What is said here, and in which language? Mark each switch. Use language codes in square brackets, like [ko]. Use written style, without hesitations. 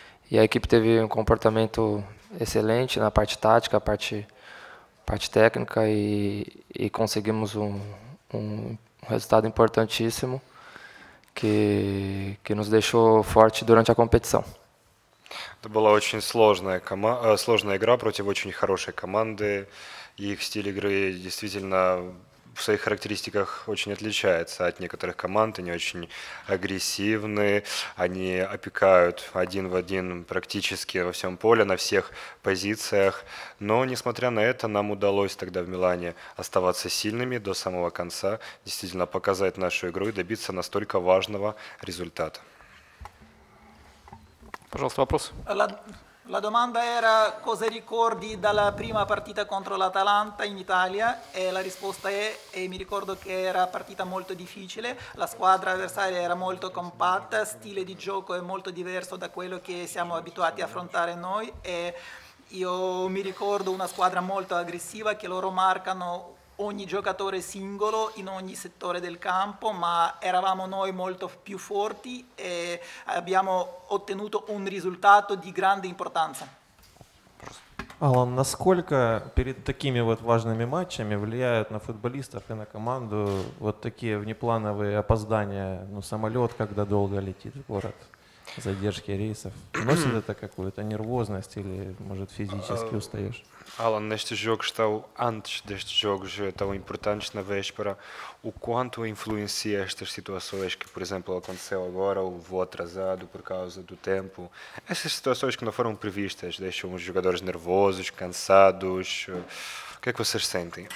[pt] E a equipe teve um comportamento excelente na parte tática, parte técnica, e conseguimos um resultado importantíssimo que nos deixou forte durante a competição. [ru] Это была очень сложная игра против очень хорошей команды. Их стиль игры действительно в своих характеристиках очень отличается от некоторых команд. Они очень агрессивны, они опекают один в один практически во всем поле, на всех позициях. Но, несмотря на это, нам удалось тогда в Милане оставаться сильными до самого конца, действительно показать нашу игру и добиться настолько важного результата. Пожалуйста, вопрос. [it] La domanda era cosa ricordi dalla prima partita contro l'Atalanta in Italia e la risposta è e mi ricordo che era partita molto difficile, la squadra avversaria era molto compatta, stile di gioco è molto diverso da quello che siamo abituati a affrontare noi e io mi ricordo una squadra molto aggressiva che loro marcano ogni giocatore singolo in ogni settore del campo, ma eravamo noi molto più forti e abbiamo ottenuto un risultato di grande importanza. [ru] Алан, насколько перед такими вот важными матчами влияют на футболистов и на команду вот такие внеплановые опоздания, ну самолет, когда долго летит в город, задержки рейсов, носит это какую-то нервозность или может физически устаешь? [pt] Alan, neste jogo estou antes destes jogos tão importantes na véspera, o quanto influencia estas situações que, por exemplo, aconteceu agora, o voo atrasado por causa do tempo, essas situações que não foram previstas, deixam os jogadores nervosos, cansados, o que é que vocês sentem?